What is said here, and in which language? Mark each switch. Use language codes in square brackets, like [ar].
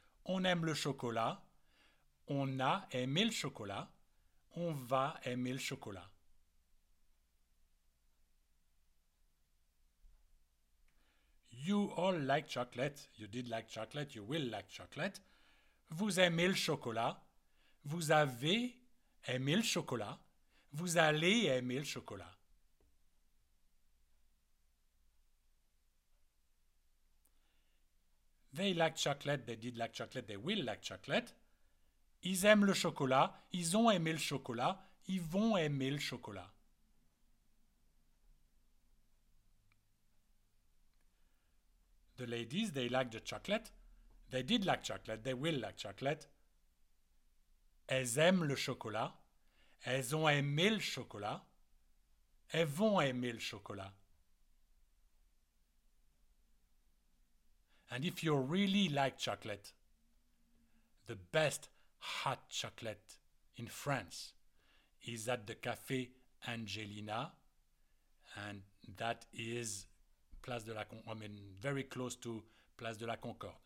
[fr] On aime le chocolat. On a aimé le chocolat. On va aimer le chocolat. [en] You all like chocolate. You did like chocolate, you will like chocolate. [fr] Vous aimez le chocolat. Vous avez aimé le chocolat. Vous allez aimer le chocolat. [en] They like chocolate, they did like chocolate, they will like chocolate. [fr] Ils aiment le chocolat, ils ont aimé le chocolat, ils vont aimer le chocolat. [en] The ladies, they like the chocolate, they did like chocolate, they will like chocolate. [fr] Elles aiment le chocolat, elles ont aimé le chocolat, elles vont aimer le chocolat. [en] And if you really like chocolate, the best hot chocolate in France is at the Café Angelina, and that is Place de la Concorde, I mean, very close to Place de la Concorde.